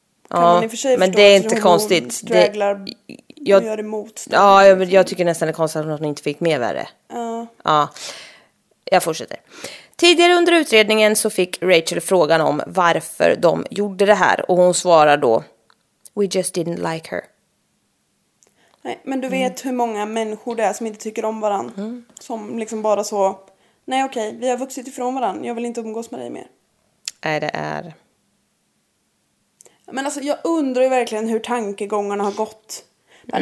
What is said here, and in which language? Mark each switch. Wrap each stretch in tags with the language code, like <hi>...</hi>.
<sv>Kan ja. Man i och för sig men det är inte konstigt. Strugglar... Det... Jag, gör emot, ja, jag tycker nästan det är konstigt att hon inte fick mer värre. Ja. Jag fortsätter. Tidigare under utredningen så fick Rachel frågan om varför de gjorde det här. Och hon svarar då,</sv> <en>we just didn't like her.</en> <sv>Nej, men du vet hur många människor det är som inte tycker om varann. Mm. Som liksom bara så, nej okej, vi har vuxit ifrån varann. Jag vill inte umgås med dig mer. Nej, det är... Men alltså, jag undrar ju verkligen hur tankegångarna har gått. Mm.</sv>